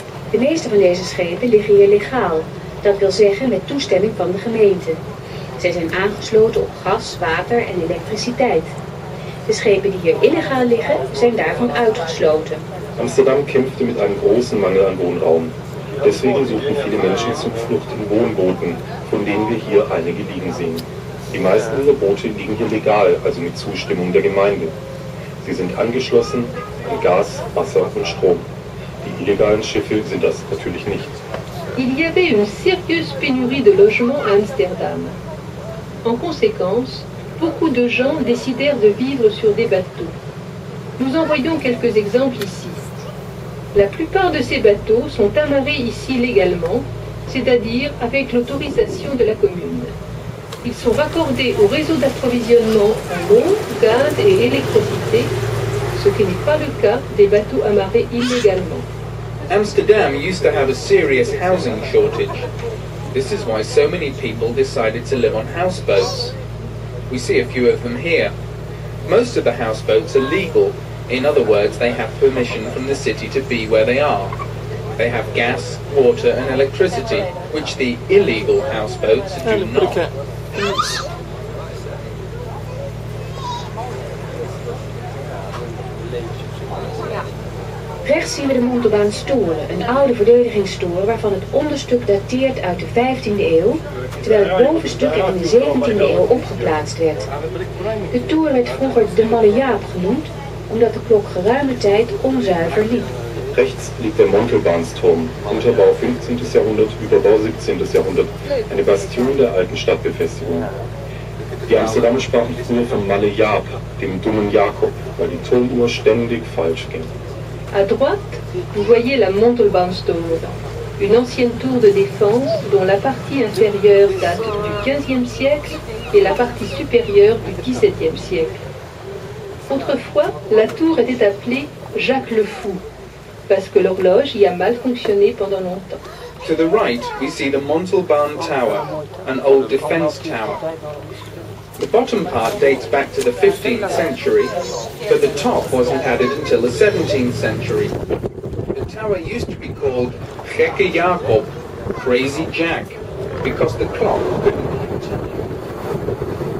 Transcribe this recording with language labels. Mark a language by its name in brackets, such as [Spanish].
[Dutch] De meeste van deze schepen liggen hier legaal, dat wil zeggen met toestemming van de gemeente. Zij zijn aangesloten op gas, water en elektriciteit. De schepen die hier illegaal liggen, zijn daarvan uitgesloten. [German] Amsterdam kämpfte [Dutch] met een grote [German] mangel aan woonraum. Deswegen suchten viele Menschen Zuflucht in Wohnbooten, von denen wir hier einige liegen sehen. Die meisten dieser Boote liegen hier legal, also mit Zustimmung der Gemeinde. Sie sind angeschlossen an Gas, Wasser und Strom. Die illegalen Schiffe sind das natürlich nicht. [French] Il y avait une sérieuse pénurie de logements à Amsterdam. En conséquence, beaucoup de gens décidèrent de vivre sur des bateaux. Nous en voyons quelques exemples ici. La plupart de ces bateaux sont amarrés ici légalement, c'est-à-dire avec l'autorisation de la commune. Ils sont raccordés au réseau d'approvisionnement en eau, gaz et électricité, ce qui n'est pas le cas des bateaux amarrés illégalement. [English] Amsterdam used to have a serious housing shortage. This is why so many people decided to live on houseboats. We see a few of them here. Most of the houseboats are legal. In other words, they have permission from the city to be where they are. They have gas, water and electricity, which the illegal houseboats do not. [Dutch] Rechts zien we de Montebaanstoren, een oude verdedigingstoren waarvan het onderstuk dateert uit de 15e eeuw, terwijl het bovenstuk in de 17e eeuw opgeplaatst werd. De toren werd vroeger de Malle Jaap genoemd, omdat de klok geruime tijd onzuiver liep. [German] Rechts liegt der Montelbahnsturm, Unterbau 15. Jahrhundert, Überbau 17. Jahrhundert, eine Bastion der alten Stadtbefestigung. Die Amsterdamer sprachen früher von Malle Jaap, dem dummen Jakob, weil die Turmuhr ständig falsch ging. [French] À droite, vous voyez la Montelbanstour, une ancienne tour de défense dont la partie inférieure date du 15e siècle et la partie supérieure du 17e siècle. Autrefois, la tour était appelée Jacques le Fou, parce que l'horloge y a mal fonctionné pendant longtemps. [English] To the right, we see the Montalban Tower, an old defense tower. The bottom part dates back to the 15th century, but the top wasn't added until the 17th century. The tower used to be called Gekke Jacob, Crazy Jack, because the clock couldn't continue.